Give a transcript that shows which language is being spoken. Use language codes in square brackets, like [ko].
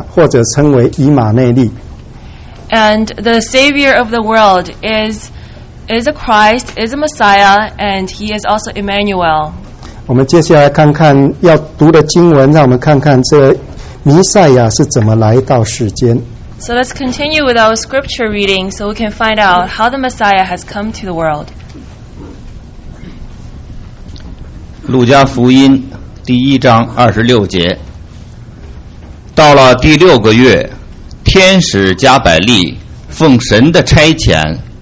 [zh] 这个拯救者就是耶稣，就是基督，就是弥赛亚，或者称为以马内利。 [en] And the Savior of the world is a Christ, is a Messiah, and He is also Emmanuel. [zh] 我们接下来看看要读的经文，让我们看看这弥赛亚是怎么来到世间。 [en] So let's continue with our scripture reading so we can find out how the Messiah has come to the world. [zh] 路加福音第1章26节，到了第6个月，天使加百利奉神的差遣。